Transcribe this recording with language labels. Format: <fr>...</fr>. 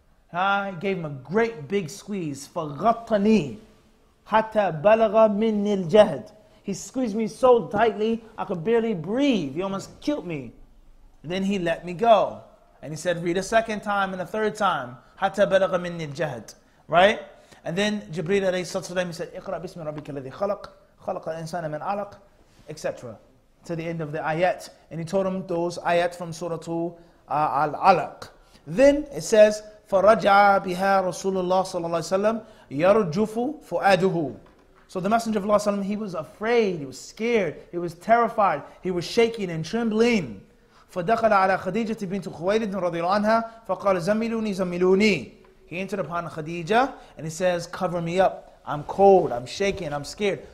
<en>He gave him a great big squeeze.</en> <ar>فَغَطَّنِي حَتَّى بَلَغَ مِنِّي الْجَهْدِ.</ar> <en>He squeezed me so tightly, I could barely breathe. He almost killed me. And then he let me go. And he said, read a second time and a third time.</en> <ar>حَتَّى بَلَغَ مِنِّي الْجَهْدِ.</ar> <en>Right? And then Jibreel ﷺ, he said,</en> <ar>اِقْرَأْ بِسْمِ رَبِّكَ الَّذِي خَلَقَ خَلَقَ الْإِنسَانَ مِنْ عَلَقٍ,</ar> <en>etc. To the end of the ayat. And he told him those ayat from Surah Al-Alaq. Then it says,</en> <ar>فَرَجْعَ بِهَا رَسُولُ اللَّهِ صَلَى اللَّهِ سَلَّمَ يَرْجُفُ فُؤَدُهُ.</ar> <en>So the Messenger of Allah, he was afraid, he was scared, he was terrified, he was shaking and trembling.</en> <ar>فَدَخَلَ عَلَى خَدِيجَةِ بِنْتُ خُوَيْدٍ رَضِيَ عَنْهَا فَقَالَ زَمِّلُونِي زَمِّلُونِي.</ar> <en>He entered upon Khadija and he says, cover me up. I'm cold, I'm shaking, I'm scared.</en>